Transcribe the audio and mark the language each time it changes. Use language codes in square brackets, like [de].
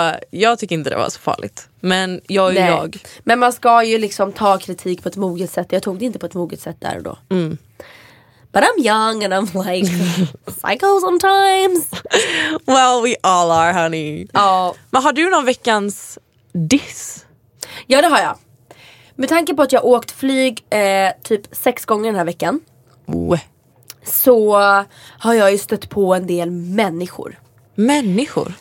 [sv] Jag tycker inte det var så farligt. Men jag är ju jag. Men man ska ju liksom ta kritik på ett moget sätt. Jag tog det inte på ett moget sätt där och då. Mm. [en] But I'm young and I'm like psycho sometimes. Well, we all are, honey. Oh. [sv] Men har du någon veckans diss? Ja, det har jag. Med tanke på att jag åkt flyg typ 6 gånger den här veckan. Oh. Så har jag ju stött på en del människor. Människor?